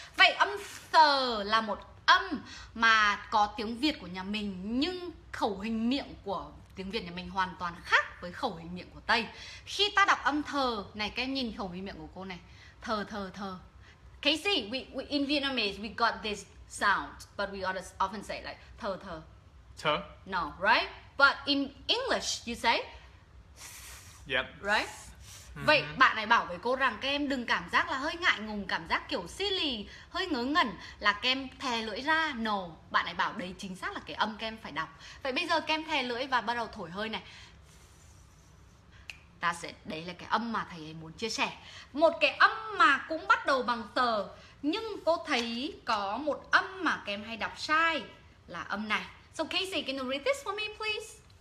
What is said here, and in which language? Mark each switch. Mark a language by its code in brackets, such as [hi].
[vi] Vậy âm th là một âm mà có tiếng Việt của nhà mình nhưng khẩu hình miệng của tiếng Việt nhà mình hoàn toàn khác với khẩu hình miệng của Tây. Khi ta đọc âm th này, các em nhìn khẩu hình miệng của cô này. Thờ thờ thờ. [en] Kasey, we in Vietnamese we got this sound, but we often say like thờ thờ. [vi] Thờ? [en] No, right? But in English you say yep. Right? Mm-hmm. [vi] Vậy bạn này bảo với cô rằng các em đừng cảm giác là hơi ngại ngùng, cảm giác kiểu silly, hơi ngớ ngẩn là các em thè lưỡi ra. No, bạn này bảo đấy chính xác là cái âm các em phải đọc. Vậy bây giờ các em thè lưỡi và bắt đầu thổi hơi này. Ta sẽ, đấy là cái âm mà thầy ấy muốn chia sẻ. Một cái âm mà cũng bắt đầu bằng tờ, nhưng cô thấy có một âm mà các em hay đọc sai là âm này. [en] So Kasey, can you read this for me please?